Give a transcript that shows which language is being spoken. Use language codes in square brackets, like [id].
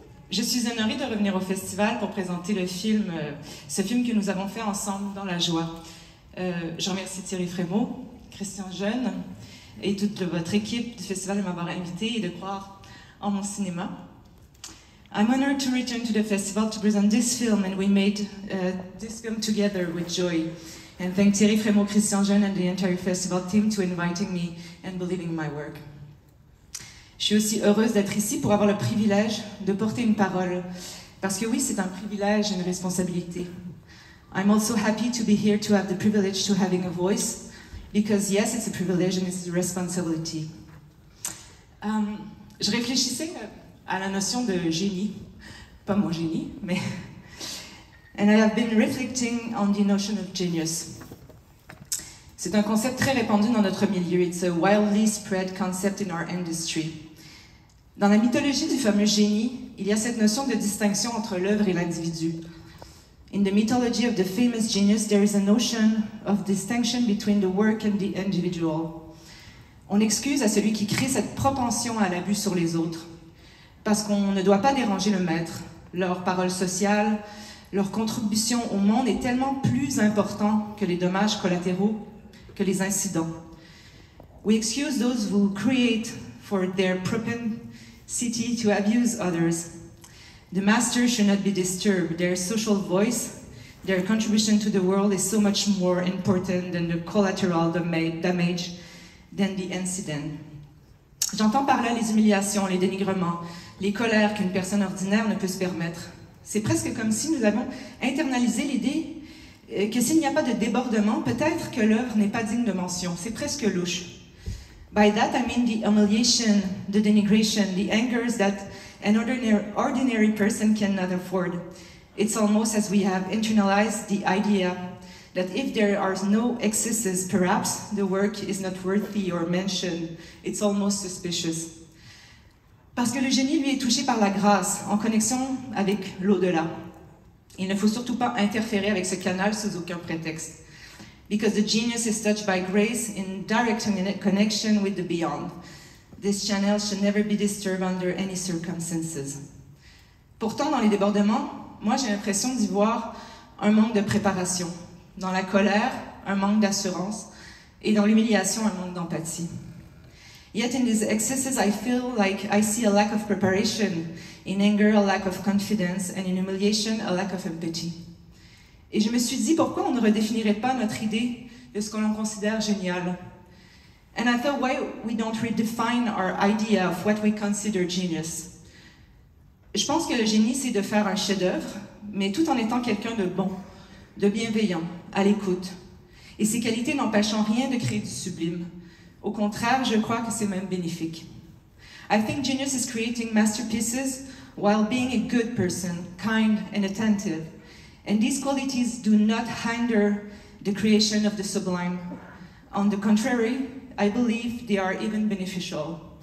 [fr] Je suis honorée de revenir au festival pour présenter le film, ce film que nous avons fait ensemble, Dans la joie. Je remercie Thierry Frémaux, Christian Jeune et toute votre équipe du festival de m'avoir invité et de croire en mon cinéma. [en] I'm honored to return to the festival to present this film, and we made this film together with joy. And thank Thierry Frémaux, Christian Jeune and the entire festival team to inviting me and believing in my work. [fr] Je suis aussi heureuse d'être ici pour avoir le privilège de porter une parole, parce que oui, c'est un privilège et une responsabilité. [en] I'm also happy to be here to have the privilege to having a voice, because yes, it's a privilege and it's a responsibility. [fr] Je réfléchissais à la notion de génie, pas mon génie, mais... [en] And I have been reflecting on the notion of genius. [fr] C'est un concept très répandu dans notre milieu. [en] It's a widely spread concept in our industry. [fr] Dans la mythologie du fameux génie, il y a cette notion de distinction entre l'œuvre et l'individu. [en] In the mythology of the famous genius, there is a notion of distinction between the work and the individual. [fr] On excuse à celui qui crée cette propension à l'abus sur les autres, parce qu'on ne doit pas déranger le maître. Leur parole sociale, leur contribution au monde est tellement plus importante que les dommages collatéraux, que les incidents. [en] We excuse those who create for their propensity to abuse others. The master should not be disturbed. Their social voice, their contribution to the world is so much more important than the collateral damage than the incident. [fr] J'entends par là les humiliations, les dénigrements, les colères qu'une personne ordinaire ne peut se permettre. C'est presque comme si nous avons internalisé l'idée que s'il n'y a pas de débordement, peut-être que l'œuvre n'est pas digne de mention. C'est presque louche. [en] By that, I mean the humiliation, the denigration, the angers that an ordinary person cannot afford. It's almost as we have internalized the idea that if there are no excesses, perhaps the work is not worthy or mentioned. It's almost suspicious. [fr] Parce que le génie, lui, est touché par la grâce, en connexion avec l'au-delà. Il ne faut surtout pas interférer avec ce canal sous aucun prétexte. [en] Because the genius is touched by grace in direct connection with the beyond. This channel should never be disturbed under any circumstances. [fr] Pourtant, dans les débordements, moi, j'ai l'impression d'y voir un manque de préparation. Dans la colère, un manque d'assurance. Et dans l'humiliation, un manque d'empathie. [en] Yet in these excesses, I feel like I see a lack of preparation. In anger, a lack of confidence. And in humiliation, a lack of empathy. [fr] Et je me suis dit, pourquoi on ne redéfinirait pas notre idée de ce que l'on considère génial? [en] And I thought, why we don't redefine our idea of what we consider genius? [fr] Je pense que le génie, c'est de faire un chef-d'œuvre, mais tout en étant quelqu'un de bon, de bienveillant, à l'écoute. Et ces qualités n'empêchent en rien de créer du sublime. Au contraire, je crois que c'est même bénéfique. [en] I think genius is creating masterpieces while being a good person, kind and attentive. And these qualities do not hinder the creation of the sublime. On the contrary, I believe they are even beneficial.